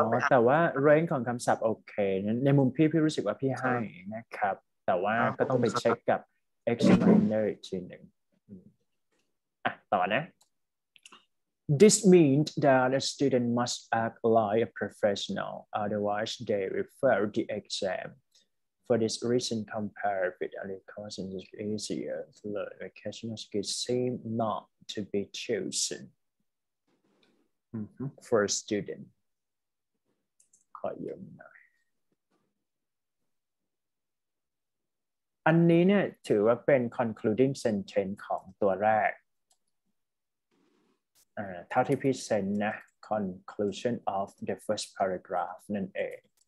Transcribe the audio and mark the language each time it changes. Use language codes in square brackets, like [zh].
[th] แต่ว่าเรนจ์ของคำศัพท์โอเคในมุมพี่รู้สึกว่าพี่ให้นะครับแต่ว่าก็ต้องไปเช็คกับ examiner อีกทีหนึ่งต่อนะ [en] This means that a student must act like a professional otherwise they refer the examFor this reason, compared with other courses, it's easier to learn. Vocational skills seem not to be chosen for a student. [th] ขอยืมหน่อยอันนี้เนี่ยถือว่าเป็น concluding sentence ของตัวแรกเท่าที่พี่เซ็นนะ [en] conclusion of the first paragraph [th] นั่นเอง